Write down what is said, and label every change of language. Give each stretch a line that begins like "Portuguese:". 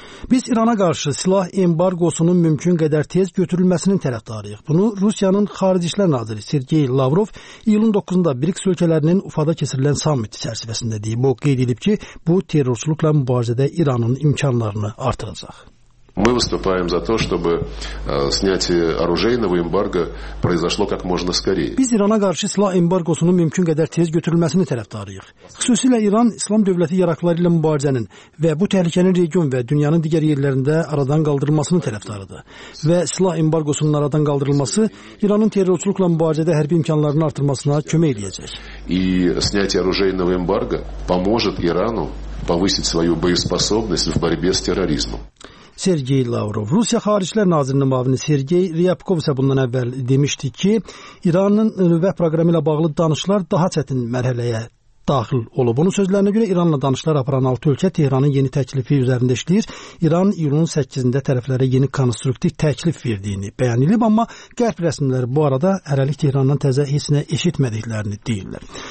Azerbaijani: Biz İrana qarşı silah embargosunun mümkün qədər tez götürülməsinin tərəfdarıyıq. Bunu Rusiyanın xarici işlər naziri Sergey Lavrov iyulun 9-da BRICS ölkələrinin Ufada keçirilən sammit çərçivəsində deyib. O qeyd edib ki, bu terrorçuluqla mübarizədə İranın imkanlarını artıracaq.
Russian: Мы выступаем за то, чтобы снятие оружейного эмбарго произошло как можно скорее.
Azerbaijani: Biz İrana qarşı silah embargosunun mümkün qədər tez götürülməsini tərəfdarıyıq. Xüsusilə İran İslam dövləti yaraqları ilə mübarizənin və bu təhlükənin region və dünyanın digər yerlərində aradan qaldırılmasının tərəfdarıdır. Və silah embargosunun aradan qaldırılması İranın terrorçuluqla mübarizədə hərbi imkanlarını artırmasına kömək edəcək.
Russian: И снятие оружейного эмбарго поможет Ирану повысить свою боеспособность в борьбе с терроризмом.
Azerbaijani: Sergey Lavrov, Rusiya Xarici Nazirinin müavini Sergey Ryabkov isə bundan əvvəl demişdi ki, İranın nüvə proqramı ilə bağlı danışıqlar daha çətin mərhələyə daxil olub. Bunun sözlərinə görə İranla danışıqlar aparan 6 ölkə Tehranın yeni təklifi üzərində işləyir. İran iyulun 8-də tərəflərə yeni konstruktiv təklif verdiyini bəyan edib, amma qərb rəsmiləri bu arada hələlik Tehrandan təzə heç nə eşitmədiklərini deyirlər.